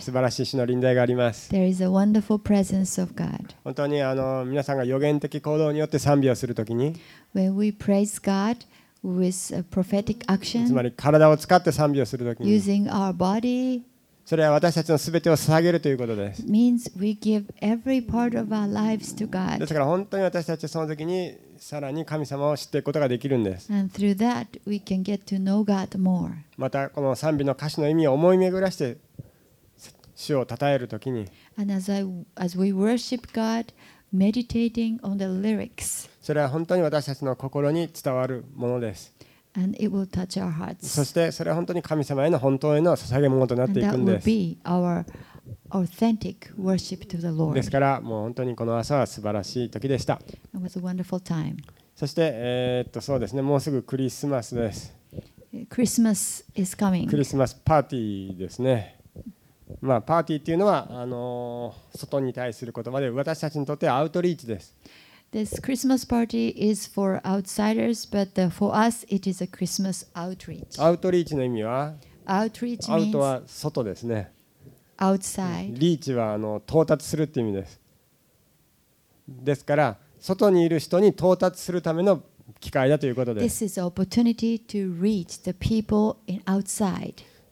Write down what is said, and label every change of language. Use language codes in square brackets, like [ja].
[ja] 素晴らしい主の臨在があります。 [en] There is a wonderful presence of God. [ja] 本当に皆さんが預言的行動によって賛美をするときに、 [en] When we praise God. With a prophetic action, [ja] つまり体を使って賛美をするときに [en] using our body, [ja] それは私たちのすべてを捧げるということです。 [en] means we give every part of our lives to God. [ja] ですから本当に私たちはその時にさらに神様を知っていくことができるんです。 [en] And through that, we can get to know God more. [ja] またこの賛美の歌詞の意味を思い巡らして主を称えるときに [en] And as we worship GodMeditating on the lyrics. [ja] それは本当に私たちの心に伝わるものです。 [en] And it will touch our hearts. [ja] そしてそれは本当に神様への本当への捧げ物となっていくんです。 [en] And that will be our authentic worship to the Lord. [ja] ですからもう本当にこの朝は素晴らしい時でした。 [en] It was a wonderful time. [ja] そしてそうですね、もうすぐクリスマスです。 [en] Christmas is coming. [ja] クリスマスパーティーですね。まあ、パーティーっていうのは外に対する言葉で私たちにとってはアウトリーチです。 [en] This Christmas party is for outsiders, but for us it is a Christmas outreach. [ja] アウトリーチの意味は？ [en] Outreach means [ja] アウトは外ですね。 [en] Outside. [ja] リーチは到達するっていう意味です。ですから外にいる人に到達するための機会だということです。 [en] This is an opportunity to reach the people in outside.